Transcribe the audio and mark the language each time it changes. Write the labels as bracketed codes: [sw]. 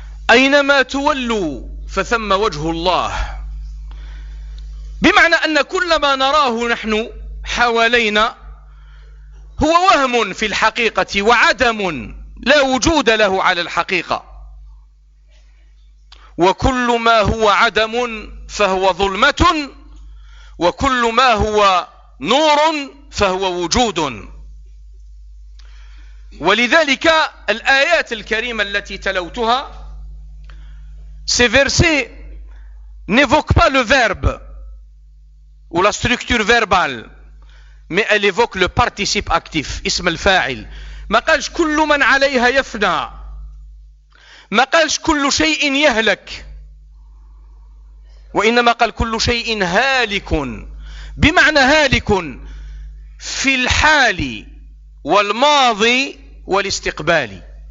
[ar] أينما تولوا فثم وجه الله، بمعنى أن كل ما نراه نحن حوالينا هو وهم في الحقيقة وعدم، لا وجود له على الحقيقة، وكل ما هو عدم فهو ظلمة، وكل ما هو نور فهو وجود. ولذلك الآيات الكريمة التي تلوتها، [fr] ces versets n'évoquent pas le verbe ou la structure verbale, mais elle évoque le participe actif, ism al-fa'il. [ar] ما قالش كل من عليها يفنى، ما قالش كل شيء يهلك، وإنما قال كل شيء هالك، بمعنى هالك في الحال والماضي والاستقبال.